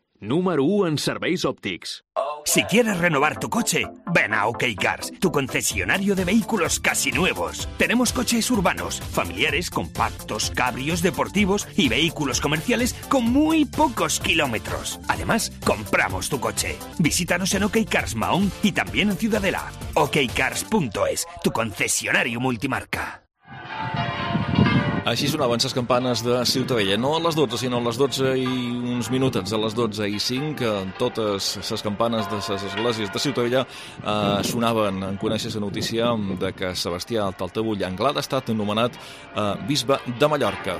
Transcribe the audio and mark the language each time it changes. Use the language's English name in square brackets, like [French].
[Catalan] Número 1 en serveis òptics. [Spanish] Si quieres renovar tu coche, ven a OK Cars, tu concesionario de vehículos casi nuevos. Tenemos coches urbanos, familiares, compactos, cabrios, deportivos y vehículos comerciales con muy pocos kilómetros. Además, compramos tu coche. Visítanos en OK Cars Mahón y también en Ciudadela. OKCars.es, tu concesionario multimarca. [Catalan] Així sonaven les campanes de Ciutadella, no a les 12, sinó a les 12 i uns minutets, a les 12 i 5, totes les campanes de les esglésies de Ciutadella sonaven en conèixer la notícia de que Sebastià Taltavull Anglada ha estat nomenat bisbe de Mallorca.